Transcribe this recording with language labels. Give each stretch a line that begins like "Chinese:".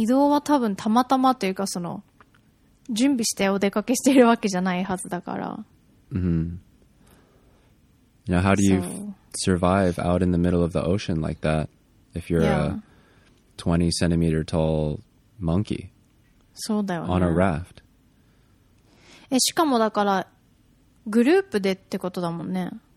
Japanese: じゃないとね、だって移動は多分たまたまというかその 準備してお出かけしているわけじゃないはずだから。
English: Now, how do you survive out in the middle of the ocean like that if you're a 20 centimeter tall monkey on a raft?
Japanese: しかもだからグループでってことだもんね。